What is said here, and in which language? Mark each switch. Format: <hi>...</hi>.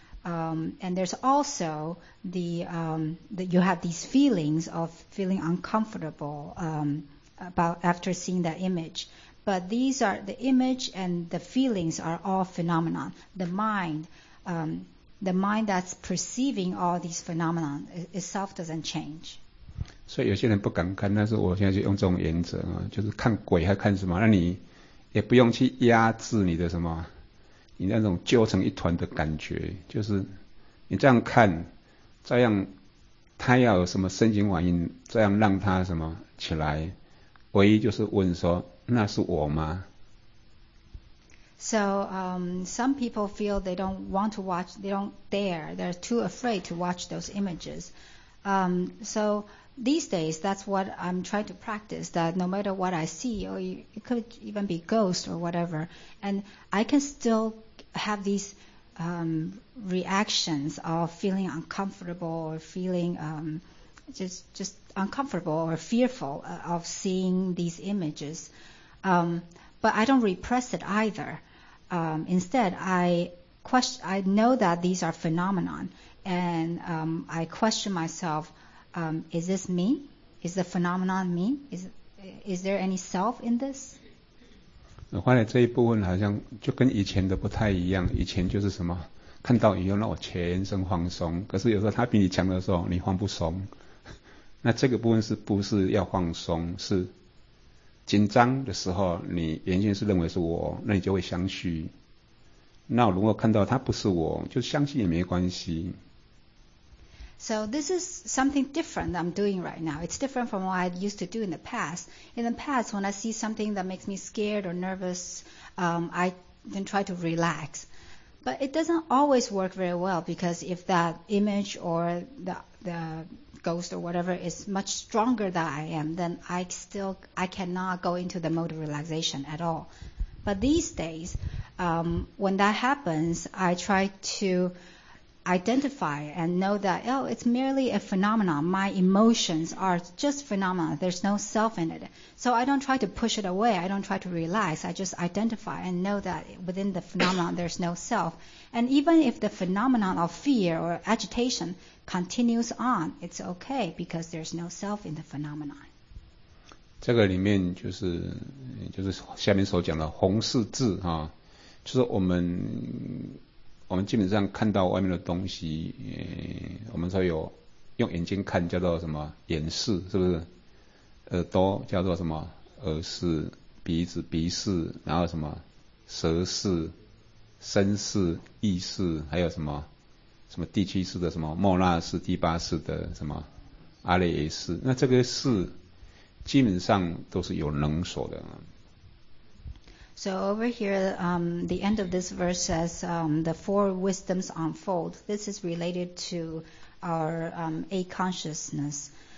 <en>And there's also the that you have these feelings of feeling uncomfortable about after seeing that image. But these are the image and the feelings are all phenomena. The mind that's perceiving all these phenomena itself doesn't change.</en> <zh>所以有些人不敢看，但是我现在就用这种原则啊，就是看鬼还看什么？那你也不用去压制你的什么，你那种揪成一团的感觉，就是你这样看，这样他要有什么身心反应，这样让他什么起来，唯一就是问说，那是我吗？</zh> <en>So, some people feel they don't want to watch, they don't dare, they're too afraid to watch those images. So, these days, that's what I'm trying to practice, that no matter what I see, or it could even be ghost or whatever, and I can still have these reactions of feeling uncomfortable or feeling just uncomfortable or fearful of seeing these images. But I don't repress it either. Instead, I know that these are phenomenon, and I question myself, is this me? Is the phenomenon me? Is there any self in this?</en> <zh>后来这一部分好像就跟以前的不太一样，以前就是什么，看到以后让我全身放松，可是有时候他比你强的时候，你放不松。那这个部分是不是要放松，是紧张的时候，你原先是认为是我，那你就会相续。那如果看到他不是我，就相续也没关系。</zh> <en>So this is something different that I'm doing right now. It's different from what I used to do in the past. In the past, when I see something that makes me scared or nervous, I then try to relax. But it doesn't always work very well because if that image or the ghost or whatever is much stronger than I am, then I cannot go into the mode of relaxation at all. But these days, when that happens, I try to identify and know that, oh, it's merely a phenomenon. My emotions are just phenomena. There's no self in it. So I don't try to push it away. I don't try to relax. I just identify and know that within the phenomenon, there's no self. And even if the phenomenon of fear or agitation continues on, it's okay because there's no self in the phenomenon.</en> <zh>这个里面就是下面所讲的红四字啊，就是我们基本上看到外面的东西，我们说有用眼睛看叫做什么眼视，是不是？耳朵叫做什么耳视，鼻子鼻视，然后什么舌视、身视、意视，还有什么？什么第七识的什么莫那识，第八识的什么阿赖耶识，那这个识基本上都是有能所的。</zh> <en>So over here, the end of this verse says, the four wisdoms unfold. This is related to our eight consciousness.</en>